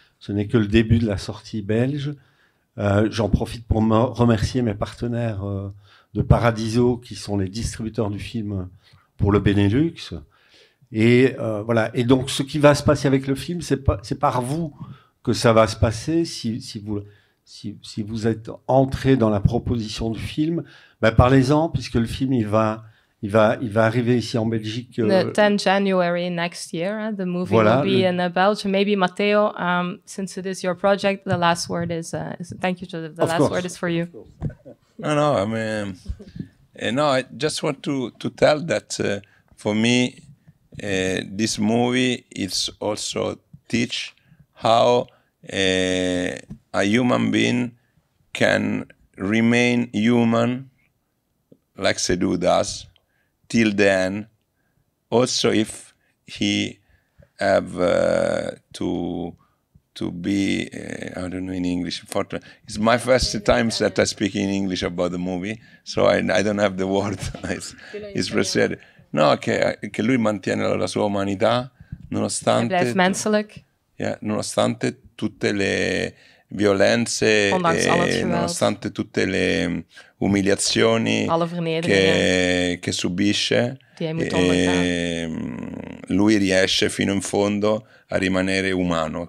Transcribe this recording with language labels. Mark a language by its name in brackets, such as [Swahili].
[French] Ce n'est que le début de la sortie belge. J'en profite pour remercier mes partenaires de Paradiso, qui sont les distributeurs du film pour le Benelux. Et voilà. Et donc, ce qui va se passer avec le film, c'est par vous que ça va se passer, si vous êtes entré dans la proposition du film, ben parlez-en, puisque le film il va arriver ici en Belgique. [English] The 10 January next year, the movie voilà, will be in Belgium. Maybe Matteo, since it is your project, the last word is thank you, Joseph. The of last course. Word is for you. No, I mean, I just want to tell that for me, this movie it's also teach how a human being can remain human, like Sedu does, till then, also if he have to be, I don't know in English, it's my first time that I speak in English about the movie, so I don't have the word. it's preceded. [Italian] No, che lui mantiene la sua umanità, nonostante tutte le violenze e nonostante tutte le umiliazioni che subisce, lui riesce fino in fondo a rimanere umano.